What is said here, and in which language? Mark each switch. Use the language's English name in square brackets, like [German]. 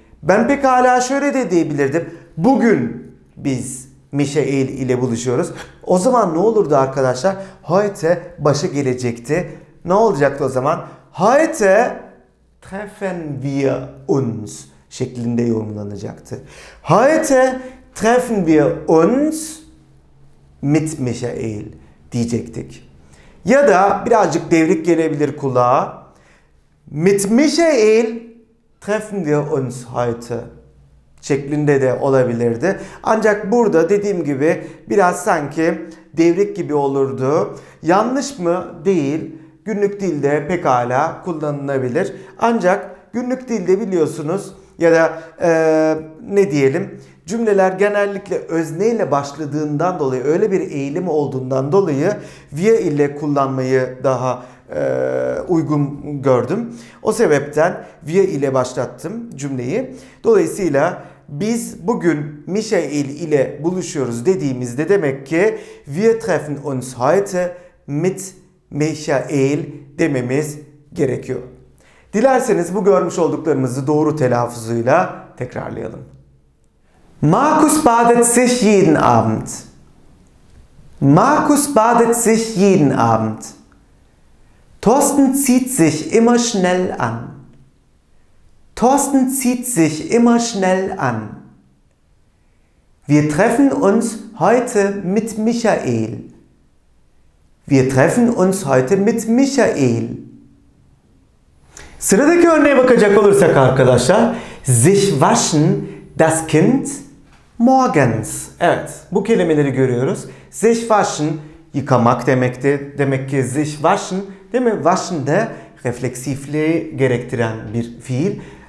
[Turkish] Ben pekala şöyle de diyebilirdim. Bugün biz Michael ile buluşuyoruz. O zaman ne olurdu arkadaşlar? Heute başa gelecekti. Ne olacaktı o zaman? [German] Heute treffen wir uns [Turkish] şeklinde yorumlanacaktı. [German] Heute treffen wir uns mit Michael [Turkish] diyecektik. Ya da birazcık devrik gelebilir kulağa. [German] Mit Michael treffen wir uns heute [Turkish] şeklinde de olabilirdi. Ancak burada dediğim gibi biraz sanki devrik gibi olurdu. Yanlış mı? Değil. Günlük dilde pekala kullanılabilir. Ancak günlük dilde biliyorsunuz ya da ne diyelim cümleler genellikle özne ile başladığından dolayı öyle bir eğilim olduğundan dolayı via ile kullanmayı daha uygun gördüm. O sebepten via ile başlattım cümleyi. Dolayısıyla biz bugün Michael ile buluşuyoruz dediğimizde demek ki [German] wir treffen uns heute mit Michael [Turkish] dememiz gerekiyor. Dilerseniz bu görmüş olduklarımızı doğru telaffuzuyla tekrarlayalım. [German] Markus badet sich jeden Abend. Markus badet sich jeden Abend. Thorsten zieht sich immer schnell an. Thorsten zieht sich immer schnell an. Wir treffen uns heute mit Michael. Wir treffen uns heute mit Michael. [Turkish] Sıradaki örneğe bakacak olursak arkadaşlar, [German] sich waschen das Kind morgens. [Turkish] Evet, bu kelimeleri görüyoruz. Sich waschen yıkamak demekti. Demek ki sich waschen, değil mi? Waschen de refleksifliği gerektiren bir fiil.